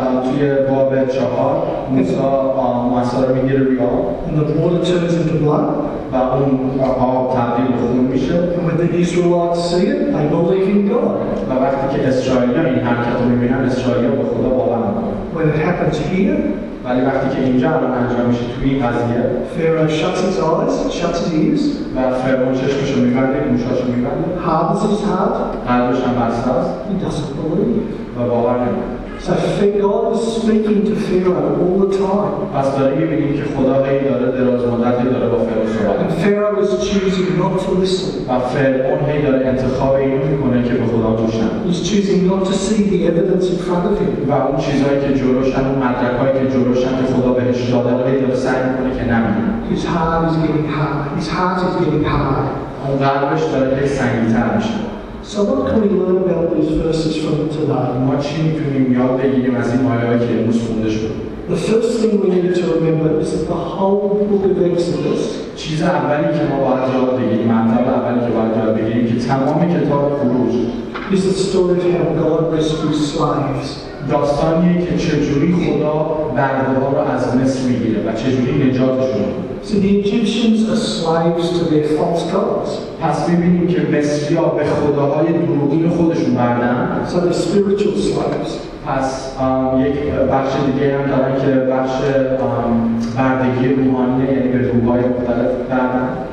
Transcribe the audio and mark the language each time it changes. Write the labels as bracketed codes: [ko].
[fa] توی باب 4 موسی میگیره ریال. [en] And the water turns into blood. [fa] و اون آب تبدیل به خون میشه. [en] And when the Israelites see it, they believe in God. [fa] و وقتی که اسرائیلی‌ها این حرکت رو میبینن، اسرائیلی‌ها به خدا باور میکنن. [en] When it happens here. [fa] ولی وقتی که اینجا الان انجام میشه تو این قضیه [en] Pharaoh shuts his eyes, shuts his ears [fa] و فرعون چشمشو میبنده، گوشاشو میبنده [en] Hardens his heart [fa] قلبش هم بسته است [en] He doesn't believe [fa] و باور نمیکنه [en] So God is speaking to Pharaoh all the time [fa] پس داریم میبینیم که خدا هی داره دراز مدتی داره با فرعون صحبت میکنه [en] And Pharaoh is choosing not to listen [fa] و فرعون هی داره انتخاب اینو میکنه که به خدا گوش نده [en] He's choosing not to see the evidence in front of him [fa] و اون چیزهایی که جلوشن، اون مدرکهایی که جلوشن که خدا بهش داده رو هی داره سعی میکنه که نمیدونه [en] His heart is getting hard His heart is getting hard [fa] اون قلبش داره هی سنگین‌تر میشه [en] So what can we learn about these verses from today? [fa] ما چی میتونیم یاد بگیریم از این آیه که امروز خونده شد؟ [en] The first thing we need to remember is that the whole book of Exodus. [fa] چیز اولی که ما باید یاد بگیریم، مطلب اولی که باید یاد بگیریم که تمام کتاب خروج [en] is the story of how God rescues slaves. [fa] داستانیه که چجوری خدا برده‌ها رو از مصر میگیره و چجوری نجاتشون میده. [en] So the Egyptians are slaves to their false gods. [fa] پس می‌بینیم که مصری‌ها به خداهای دروغین خودشون بردن. [en] So they're spiritual slaves. [fa] پس یک بخش دیگه هم دارن که بخش بردگی روحانی یعنی به روح‌های مختلف بردن.